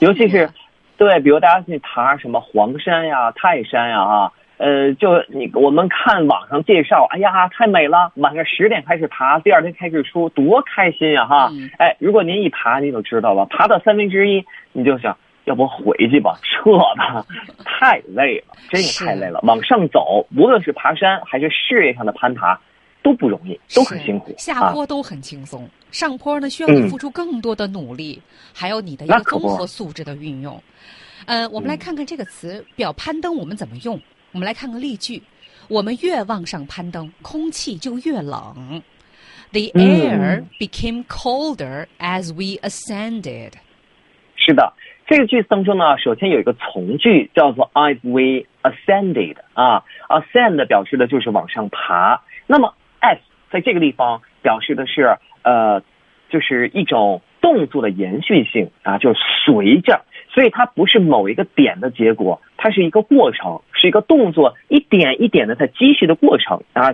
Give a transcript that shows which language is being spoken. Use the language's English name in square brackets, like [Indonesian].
[Chinese] 尤其是，对，比如大家去爬什么黄山呀、泰山呀，就你我们看网上介绍，哎呀，太美了，晚上10点开始爬，第二天开始出，多开心呀，哈，哎，如果您一爬，你就知道了，爬到三分之一，你就想，要不回去吧，撤吧，太累了，真是太累了，往上走，无论是爬山还是事业上的攀爬，都不容易，都很辛苦，下坡都很轻松。上坡呢，需要你付出更多的努力，还有你的一个综合素质的运用。我们来看看这个词表攀登我们怎么用。我们来看个例句：我们越往上攀登，空气就越冷。 [English] The air became colder as we ascended。 [Chinese] 是的，这个句子当中呢，首先有一个从句叫做 [English] as we ascended [Chinese] 啊 ，ascend 表示的就是往上爬。那么 as 在这个地方表示的是。就是一种动作的延续性啊，就是随着，所以它不是某一个点的结果，它是一个过程，是一个动作一点一点的在积蓄的过程啊。